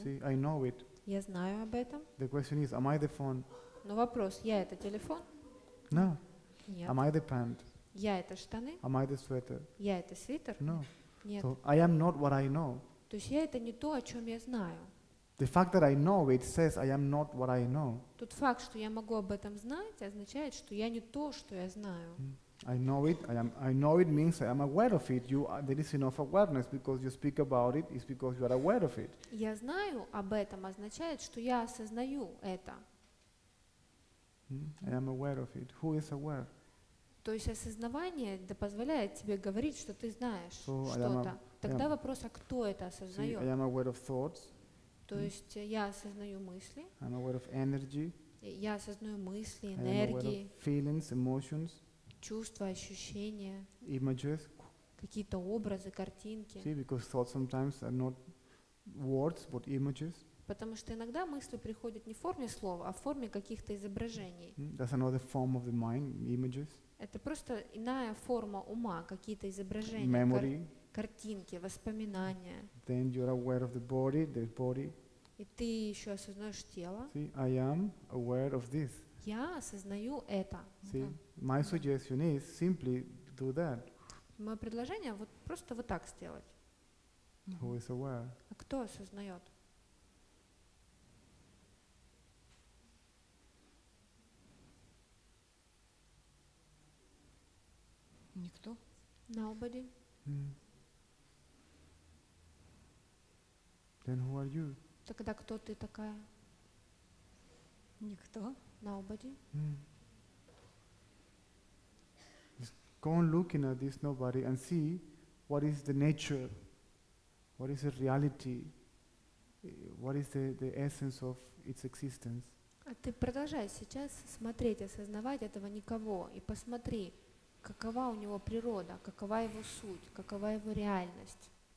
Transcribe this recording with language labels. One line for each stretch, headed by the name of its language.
English: See, I know it.
Russian: Я знаю об этом.
English: The question is, am I the phone?
Russian: Но вопрос, я это телефон?
English: No.
Russian: Нет.
English: Am I the pant?
Russian: Я это штаны?
English: Am I the sweater?
Russian: Я это свитер?
English: No.
Russian: Нет.
English: So I am not what I know.
Russian: То есть я это не то, о чем я знаю.
English: The fact that I know it says I am not what I know.
Russian: Тот факт, что я могу об этом знать, означает, что я не то, что я знаю.
English: I know it. I know it means I am aware of it. There is enough awareness because you speak about it. It's because you are aware of it.
Russian: Я знаю об этом означает, что я осознаю это.
English: I am aware of it. Who is aware?
Russian: То есть осознавание позволяет тебе говорить, что ты знаешь что-то. Тогда вопрос, а кто это осознает?
English: I am aware of thoughts.
Russian: То есть я осознаю мысли.
English: I'm aware of energy.
Russian: Я осознаю мысли, энергии.
English: I'm aware of feelings, emotions.
Russian: Чувства, ощущения.
English: Images.
Russian: Какие-то образы, картинки.
English: See, because thoughts sometimes are not words, but images.
Russian: Потому что иногда мысли приходят не в форме слов, а в форме каких-то изображений.
English: That's another form of the mind, images.
Russian: Это просто иная форма ума, какие-то изображения.
English: Memory.
Russian: Картинки, воспоминания.
English: Then you're aware of the body, the body.
Russian: И ты еще осознаешь тело.
English: See, I am aware of this.
Russian: Я осознаю это.
English: See, my suggestion is simply do that.
Russian: Мое предложение вот просто вот так сделать.
English: Who is aware?
Russian: А кто осознает? Никто.
English: Nobody. Then who are you?
Russian: Тогда кто ты такая? Никто.
English: Nobody. Just go on looking at this nobody and see what is the nature, what is the reality, what is the essence of its existence.
Russian: А ты продолжай сейчас смотреть, осознавать этого никого и посмотри, какова у него природа, какова его суть, какова его реальность.